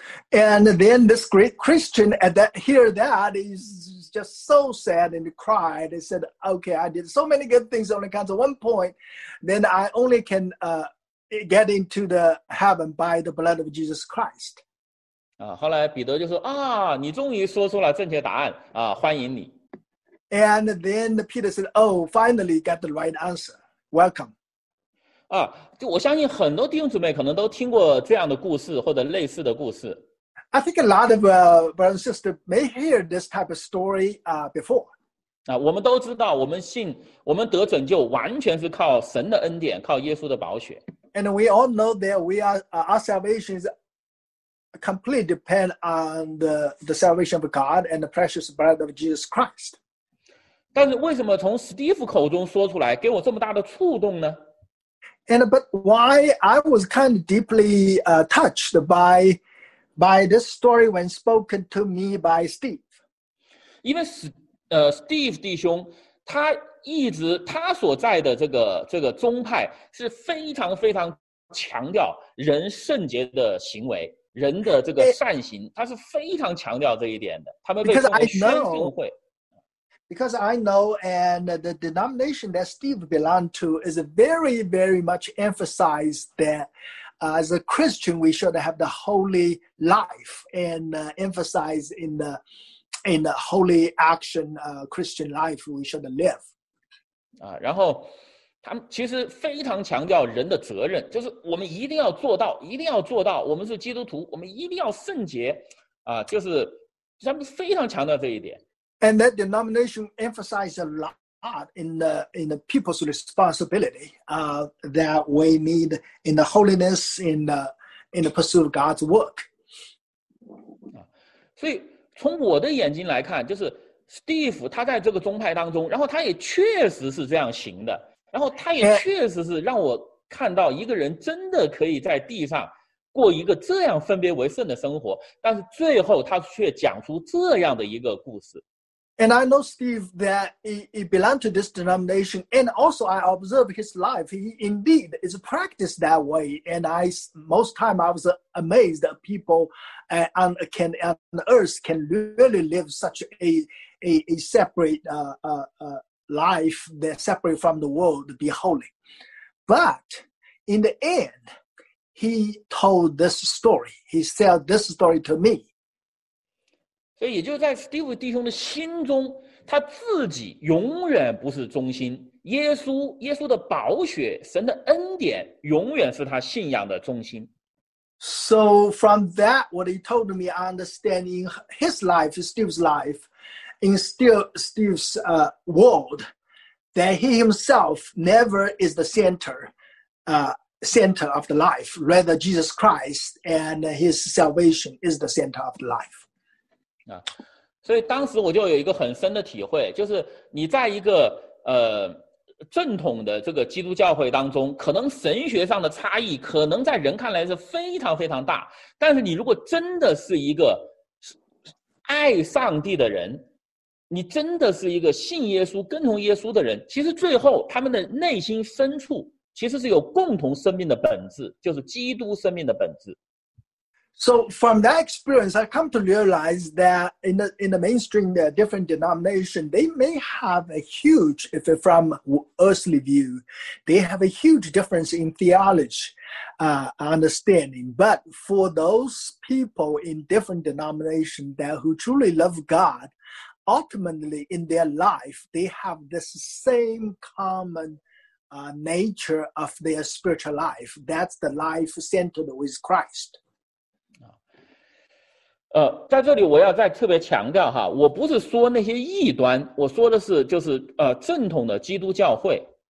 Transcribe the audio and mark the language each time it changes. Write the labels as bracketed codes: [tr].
[en] And then this great Christian at that hear that is just so sad and cried. He said, okay, I did so many good things only counts at 1 point, then I only can get into the heaven by the blood of Jesus Christ. [zh] 后来彼得就说你终于说出了正确答案欢迎你。 [en] And then Peter said, oh, finally got the right answer. Welcome. [zh] 就我相信很多弟兄姊妹可能都听过这样的故事或者类似的故事。 [en] I think a lot of brothers and sisters may hear this type of story before. [zh] 我们都知道我们信我们得拯救完全是靠神的恩典，靠耶稣的宝血。 [en] And we all know that we are, our salvation is,completely depend on the salvation of God and the precious blood of Jesus Christ. [zh] 但是为什么从 Steve 口中说出来给我这么大的触动呢？ [en] And but why I was kind of deeply touched by this story when spoken to me by Steve. [zh] 因为Steve 弟兄他一直他所在的这个宗派是非常非常强调人圣洁的行为。人的这个善行，他是非常强调这一点的。他们被称为宣信会。 [en] Because I know, and the denomination that Steve belonged to is very, very much emphasized that as a Christian we should have the holy life and emphasize in the holy action Christian life we should live. [zh] 然后他们其实非常强调人的责任，就是我们一定要做到，一定要做到。我们是基督徒，我们一定要圣洁，就是他们非常强调这一点。 [en] And that denomination emphasized a lot in the people's responsibility that we need in the holiness in the pursuit of God's work. [zh] 所以从我的眼睛来看，就是 Steve 他在这个宗派当中，然后他也确实是这样行的，然后他也确实是让我看到一个人真的可以在地上过一个这样分别为圣的生活，但是最后他却讲出这样的一个故事。 [en] And I know Steve that he belonged to this denomination, and also I observe his life. He indeed is practiced that way, and most time I was amazed that people on earth can really live such a separate life, that separate from the world, be holy. But in the end, he told this story. He said this story to me. [zh] 所以也就在 Steve 弟兄的心中，他自己永远不是中心，耶稣的宝血，神的恩典永远是他信仰的中心。 [en] So from that, what he told me, I understand in his life, Steve's life, in Steve's world, that he himself never is the center of the life, rather Jesus Christ and his salvation is the center of the life. [zh] 所以当时我就有一个很深的体会，就是你在一个正统的这个基督教会当中，可能神学上的差异可能在人看来是非常非常大，但是你如果真的是一个爱上帝的人，你真的是一个信耶稣跟从耶稣的人，其实最后他们的内心深处其实是有共同生命的本质，就是基督生命的本质。 [en] So from that experience, I come to realize that in the mainstream, there are different denominations. They may have a huge, if from earthly view, they have a huge difference in theology, understanding. But for those people in different denominations that who truly love God, ultimately in their life, they have this same common nature of their spiritual life. That's the life centered with Christ. [zh] 在这里我要再特别强调哈，我不是说那些异端，我说的是就是正统的基督教会。